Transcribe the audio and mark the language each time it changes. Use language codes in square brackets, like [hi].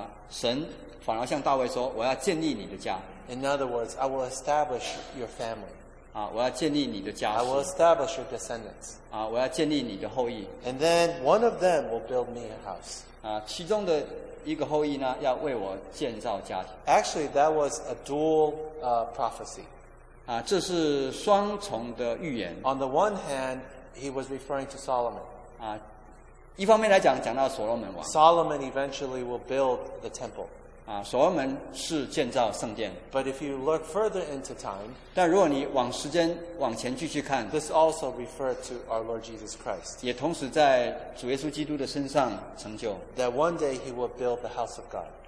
[zh] 神反而向大卫说，我要建立你的家。 [en] In other words, I will establish your family. [zh] 我要建立你的家。 [en] I will establish your descendants. [zh] 我要建立你的后裔。 [en] And then one of them will build me a house. [zh] 其中的一个后裔呢，要为我建造家庭。 [en] Actually, that was a dual prophecy. [zh] 这是双重的预言。 [en] On the one hand, he was referring to Solomon. [zh] 一方面来讲，讲到所罗门王。 [en] Solomon eventually will build the temple. [zh] 所罗门是建造圣殿。 [en] But if you look further into time, [zh] 但如果你往时间往前继续看， [en] this also referred to our Lord Jesus Christ. [zh] 也同时在主耶稣基督的身上成就。 [en] That one day he will build the house of God.